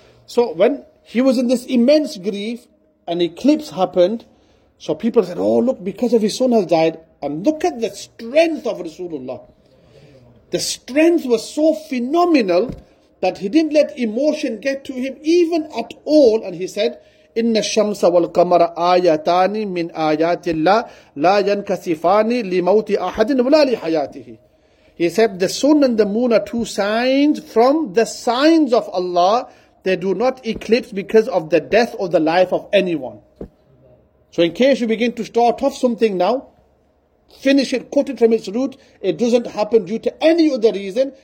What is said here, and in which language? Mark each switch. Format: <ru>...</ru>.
<en>So when he was in this immense grief, an eclipse happened. So people said, oh look, because of his son has died. And look at the strength of Rasulullah. The strength was so phenomenal that he didn't let emotion get to him even at all. And he said,</en> <ar>إِنَّ الشَّمْسَ وَالْقَمَرَ آيَتَانِ مِنْ آيَاتِ اللَّهِ لَا يَنْكَسِفَانِ لِمَوْتِ أَحَدٍ وَلَا لِحَيَاتِهِ.</ar> <en>He said, the sun and the moon are two signs from the signs of Allah. They do not eclipse because of the death or the life of anyone. So in case you begin to start off something now, finish it, cut it from its root, it doesn't happen due to any other reason.</en>